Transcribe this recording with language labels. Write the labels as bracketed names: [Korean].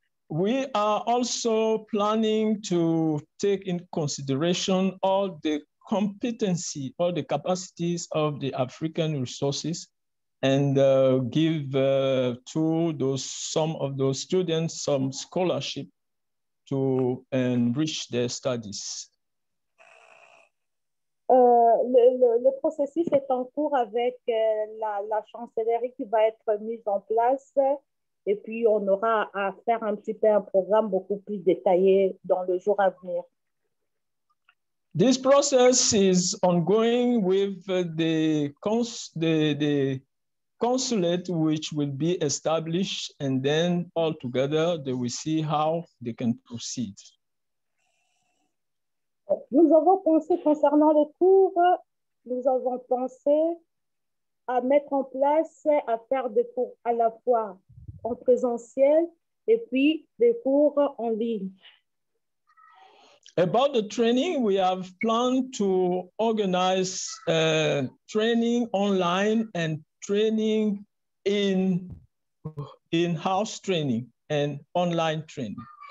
[English] We are also planning to take in consideration all the competency, all the capacities of the African resources and give to those some of those students some scholarship to enrich their studies. [French] Le processus est en cours avec la chancellerie qui va être mise en place et puis on aura à faire un petit peu un programme beaucoup plus détaillé dans le jour à venir. [English] This process is ongoing with the consulate which will be established and then all together they will see how they can proceed. [French] Nous avons pensé concernant les cours, nous avons pensé à mettre en place, à faire des cours à la fois en présentiel et puis des cours en ligne. [English] About the training, we have planned to organize training online and training in-house training and online training.